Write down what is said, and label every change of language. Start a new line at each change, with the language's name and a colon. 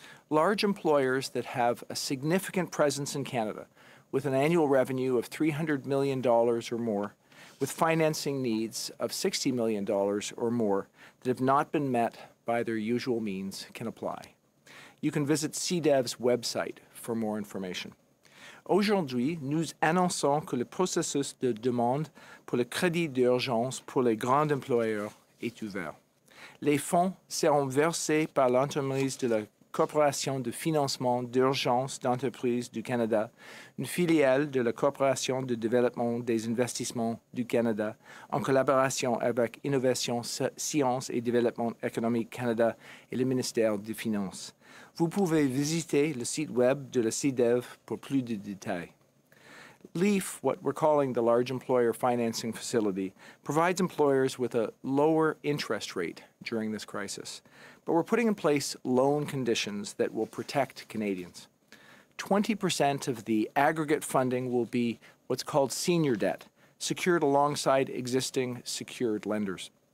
English: Large employers that have a significant presence in Canada, with an annual revenue of $300 million or more, with financing needs of $60 million or more that have not been met by their usual means, can apply. You can visit CDEV's website for more information.
French: Aujourd'hui, nous annonçons que le processus de demande pour le crédit d'urgence pour les grands employeurs est ouvert. Les fonds seront versés par l'entremise de la Corporation de financement d'urgence d'entreprise du Canada, une filiale de la Corporation de développement des investissements du Canada, en collaboration avec Innovation, Science et Développement économique Canada et le ministère des Finances. Vous pouvez visiter le site web de la CDEV pour plus de détails.
English: LEAF, what we're calling the Large Employer Financing Facility, provides employers with a lower interest rate during this crisis. But we're putting in place loan conditions that will protect Canadians. 20% of the aggregate funding will be what's called senior debt, secured alongside existing secured lenders.